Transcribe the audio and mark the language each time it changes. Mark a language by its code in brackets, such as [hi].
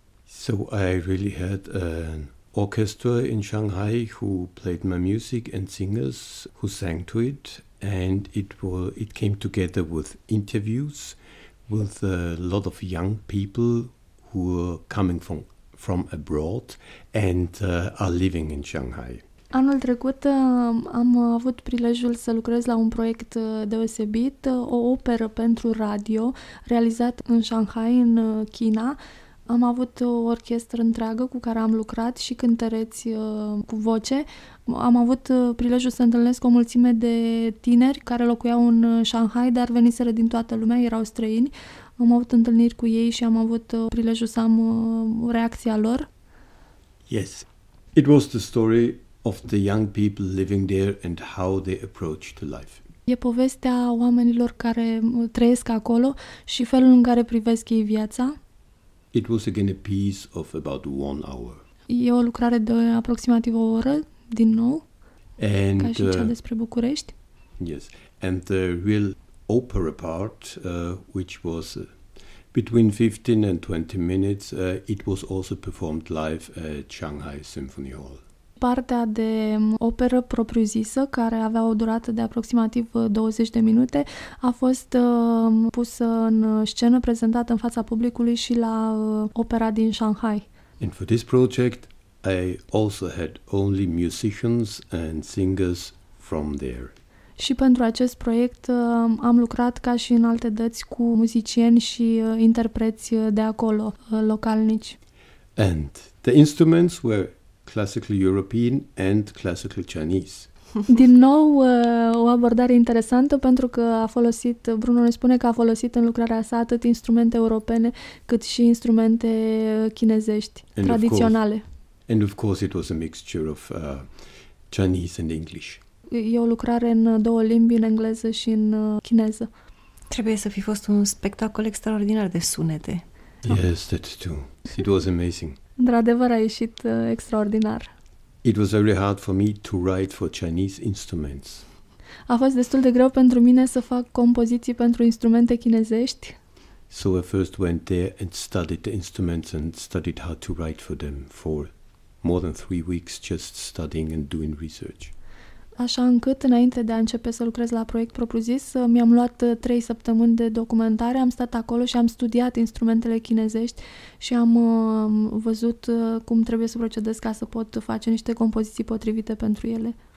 [en] So I really had an orchestra in Shanghai who played my music and singers who sang to it. And it came together with interviews with a lot of young people who are coming from abroad and are living in Shanghai. [ro] Anul trecut am avut prilejul să lucrez la un proiect deosebit, o operă pentru radio realizat în Shanghai, în China. Am avut o orchestră întreagă cu care am lucrat și cântăreți cu voce. Am avut prilejul să întâlnesc o mulțime de tineri care locuiau în Shanghai, dar veniseră din toată lumea, erau străini. Am avut întâlniri cu ei și am avut prilejul să am reacția lor. [en] Yes. It was the story of the young people living there and how they approach to life. [ro] E povestea oamenilor care trăiesc acolo și felul în care privesc ei viața. [en] It was again a piece of about 1 hour. [ro] E o lucrare de aproximativ o oră, din nou, [en] and, [ro] ca și cea despre București. [en] Yes, and the real opera part, which was between 15 and 20 minutes, it was also performed live at Shanghai Symphony Hall. [ro] Partea de operă propriu-zisă, care avea o durată de aproximativ 20 de minute, a fost pusă în scenă, prezentată în fața publicului și la opera din Shanghai. [en] And for this project, I also had only musicians and singers from there. [ro] Și pentru acest proiect am lucrat ca și în alte dăți cu muzicieni și interpreți de acolo, localnici. [en] And the instruments were classical European and classical Chinese. [ro] Din nou o abordare interesantă, pentru că a folosit, Bruno ne spune că a folosit în lucrarea sa atât instrumente europene cât și instrumente chinezești, [en] and [ro] tradiționale. [en] Of course, And of course it was a mixture of Chinese and English. [ro] E o lucrare în două limbi, în engleză și în chineză. Trebuie să fi fost un spectacol extraordinar de sunete. [en] Yes, that too. It was amazing. [ro] Într-adevăr a ieșit extraordinar. [en] It was very hard for me to write for Chinese instruments. [ro] A fost destul de greu pentru mine să fac compoziții pentru instrumente chinezești. [en] So I first went there and studied the instruments and studied how to write for them for more than 3 weeks just studying and doing research. [ro] Așa încât, înainte de a începe să lucrez la proiect propriu-zis, mi-am luat 3 săptămâni de documentare, am stat acolo și am studiat instrumentele chinezești și am văzut cum trebuie să procedez ca să pot face niște compoziții potrivite pentru ele.